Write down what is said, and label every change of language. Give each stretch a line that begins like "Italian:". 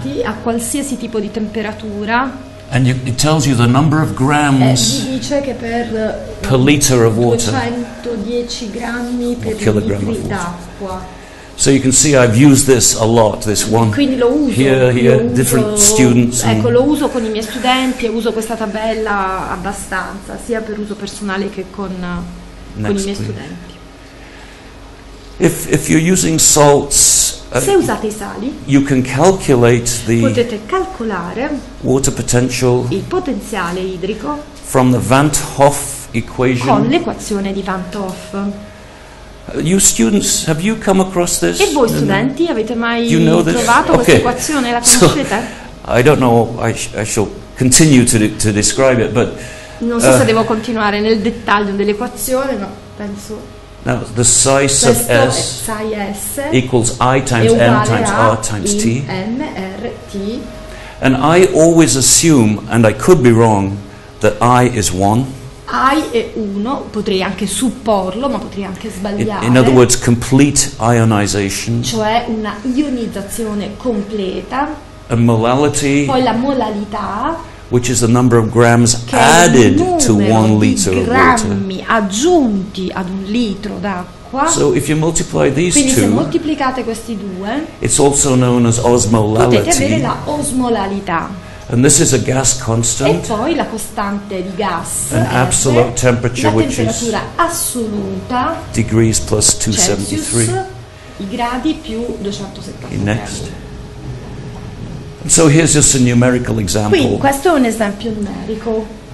Italian: a qualsiasi tipo di temperatura,
English: and it tells you the number of grams
Italian: dice che
English: per liter of water,
Italian: 210 grammi per kilogram litri d'acqua.
English: So you can see I've used this a lot, this one.
Italian: Quindi lo uso,
English: here different students.
Italian: Ecco, lo uso con i miei studenti e uso questa tabella abbastanza, sia per uso personale che con i miei
English: please.
Italian: Studenti.
English: If you're using salts,
Italian: se usate i sali,
English: you can calculate the
Italian: potete calcolare
English: water potential,
Italian: il potenziale idrico,
English: from the Van 't Hoff equation,
Italian: con l'equazione di Van 't Hoff.
English: You students, have you come across this?
Italian: E voi studenti avete mai
English: you know
Italian: trovato
English: okay.
Italian: questa equazione? La conoscete?
English: So, I don't know. I shall continue to describe it, but
Italian: non so se devo continuare nel dettaglio dell'equazione, ma penso.
English: Now the psi
Italian: questo
English: sub s, psi s equals I times m times r times t. M-R-T. And I always assume, and I could be wrong, that I is one.
Italian: I è uno, potrei anche supporlo, ma potrei anche sbagliare.
English: In other words, complete ionization.
Italian: Cioè una ionizzazione completa.
English: A molality.
Italian: Poi la molalità.
English: Which is the number of grams added to 1 liter of water.
Italian: Grammi aggiunti ad un litro d'acqua.
English: So if you multiply these
Italian: quindi
English: two,
Italian: se moltiplicate questi due,
English: it's also known as osmolality.
Italian: Potete avere la osmolalità.
English: And this is a gas constant.
Italian: E poi la costante di gas.
English: An absolute temperature,
Italian: la temperatura assoluta.
English: Degrees plus 273.
Italian: Celsius, i gradi più 273.
English: Okay, next. So here's just a numerical example.
Italian: Quindi questo è un esempio numerico.